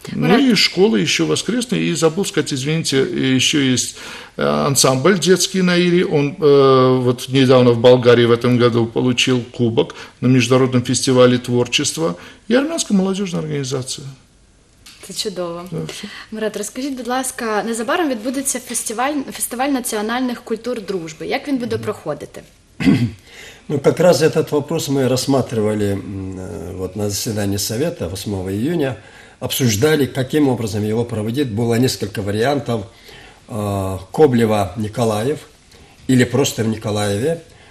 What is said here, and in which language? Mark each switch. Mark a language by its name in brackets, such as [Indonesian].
[Russian] Ну и школа еще воскресная, и забыл сказать, извините, еще есть ансамбль детский «Наири», он вот недавно в Болгарии в этом году получил кубок на международном фестивале творчества, и армянская молодежная организация. [Ukrainian] Це чудово. Мурат, розкажіть, будь ласка, незабаром відбудеться фестиваль національних культур дружби. Як він буде проходити? [Russian] Ну, как раз этот вопрос мы рассматривали вот, на заседании совета 8 июня, обсуждали, каким образом его проводить. Было несколько вариантов: Коблево, Николаев или просто в Николаеве.